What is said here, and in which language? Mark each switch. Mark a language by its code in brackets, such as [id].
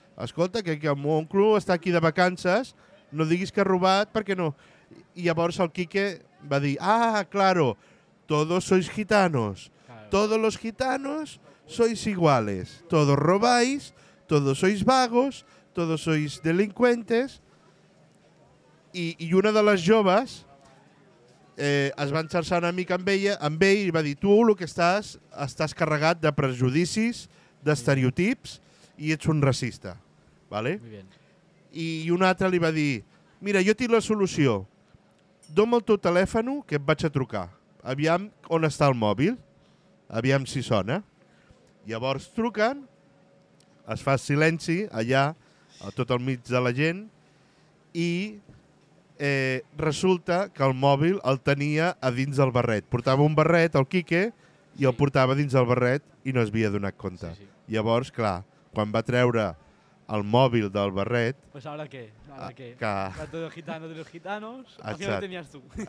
[ca] Escolta, que el meu oncle està aquí de vacances, no diguis que ha robat, perquè no. I llavors el Quique va dir, [es] ah, claro, todos sois gitanos, todos los gitanos sois iguales, todos robáis, todos sois vagos, todos sois delincuentes. [ca] I una de les joves es va enxarçar una mica amb ell i va dir, tu el que estàs carregat de prejudicis, d'estereotips i ets un racista. [es] ¿Vale? Muy bien. [ca] I un altre li va dir, mira, jo tinc la solució, dóm el teu telèfon que et vaig a trucar, aviam on està el mòbil, aviam si sona. Llavors truquen, es fa silenci allà, a tot el mig de la gent, i resulta que el mòbil el tenia a dins del barret. Portava un barret, el Quique, i el portava dins del barret i no es havia adonat compte. Sí, sí. Llavors, clar, quan va treure el mòbil del barret... [es] Pues ahora qué, Rato de los gitanos, Aquí lo tenías tú.